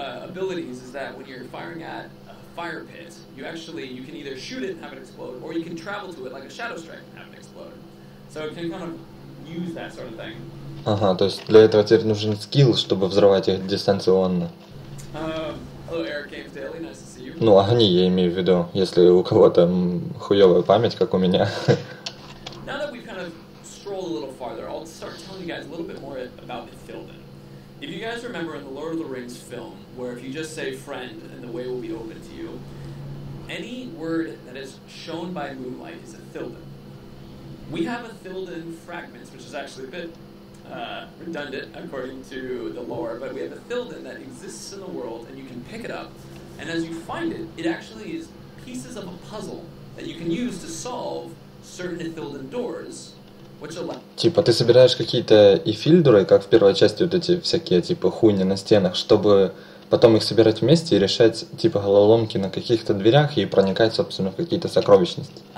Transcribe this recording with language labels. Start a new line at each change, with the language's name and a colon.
English: Abilities is that when you're firing at a fire pit, you can either shoot it and have it explode, or you can travel to it like a shadow strike and have it explode. So it can kind of use that sort of thing.
Russian: Ага, то есть для этого тебе нужен скилл, чтобы взрывать их дистанционно.
English: Hello, Eric Games Daily, nice to see you.
Russian: Ну, огни я имею в виду, если у кого-то хуёвая память, как у меня.
English: Now that we've kind of strolled a little farther, I'll start telling you guys a little bit more about Ithilden. If you guys remember in the Lord of the Rings film, where if you just say friend and the way will be open to you, any word that is shown by moonlight is Ithilden. We have Ithilden fragments, which is actually a bit redundant according to the lore, but we have Ithilden that exists in the world and you can pick it up, and as you find it, it actually is pieces of a puzzle that you can use to solve certain Ithilden doors.
Russian: Типа, ты собираешь какие-то эфильдуры, как в первой части вот эти всякие, типа, хуйни на стенах, чтобы потом их собирать вместе и решать, типа, головоломки на каких-то дверях и проникать, собственно, в какие-то сокровищницы.